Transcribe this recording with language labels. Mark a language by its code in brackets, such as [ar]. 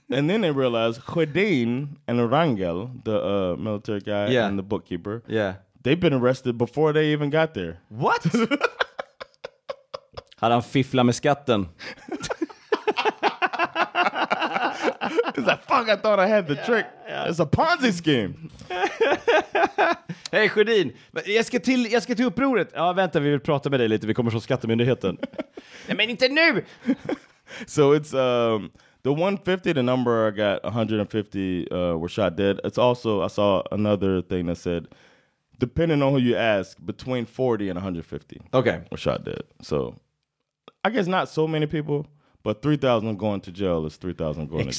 [en] And then they realized Hedin and Rangel, the military guy and the bookkeeper, they've been arrested before they even got there. What? [sv] Hade han fifflat med skatten? [en] He's like, fuck, I thought I had the trick. Yeah. It's a Ponzi scheme. [sv] Hey, Hedin, jag ska till upproret. Ja, vänta, vi vill prata med dig lite. Vi kommer från skattemyndigheten. Nej, men inte nu! [en] So it's the 150, the number I got, 150 were shot dead. It's also, I saw another thing that said, depending on who you ask, between 40 and 150 were shot dead. So I guess not so many people, but 3,000 going to jail is 3,000 going